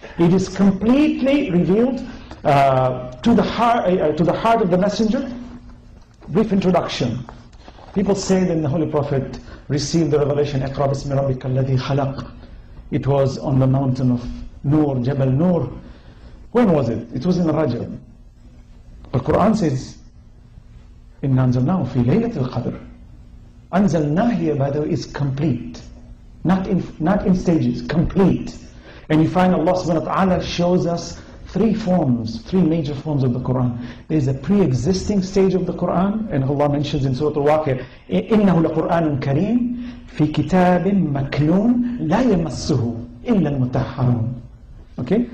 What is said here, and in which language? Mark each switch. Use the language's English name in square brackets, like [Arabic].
[English] It is completely revealed to the heart of the messenger. Brief introduction. People say that the Holy Prophet received the revelation, [Arabic] اقرأ بسم ربك الذي خلق. [English] It was on the mountain of Nur, Jabal Nur. When was it? It was in Rajab. The Quran says, [Arabic] إن أنزلناه في ليلة القدر. [English] أنزلناه here, by the way, is complete. Not in stages, complete. And you find Allah subhanahu wa ta'ala shows us three major forms of the Quran. There's a pre-existing stage of the Quran, and Allah mentions in Surah Al-Waqir, [Arabic] إِنَّهُ لَقُرْآنٌ كَرِيمٌ فِي كِتَابٍ مَكْنُونٌ لَا يَمَسُّهُ إِلَّا الْمُتَحَّرُونَ [English] Okay?